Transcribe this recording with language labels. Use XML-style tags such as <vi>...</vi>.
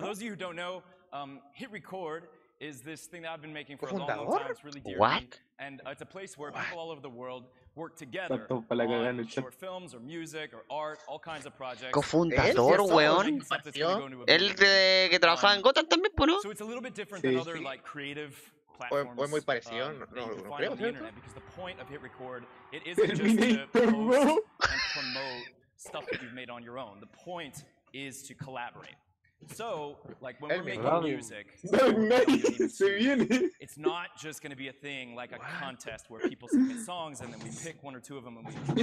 <en>For those of you who don't know, Hit Record is this thing that I've been making for a long time. It's really dear. What? And it's a place where people all over the world work together on short films or music or art, all kinds of projects.</en> <es>Cofundador, weón. El de que trabajaba en Gotham también, ¿pues no?</es> <en>So it's a little bit different than other like creative platforms.</en> <es>O es muy parecido, no creo, ¿cierto?</es> <en>Because the point of Hit Record, it isn't just to post and promote stuff that you've made on your own. The point is to collaborate. So, like when we're making music, it's not just going to be a thing like a contest where people submit songs and then we pick one or two of them and we</en>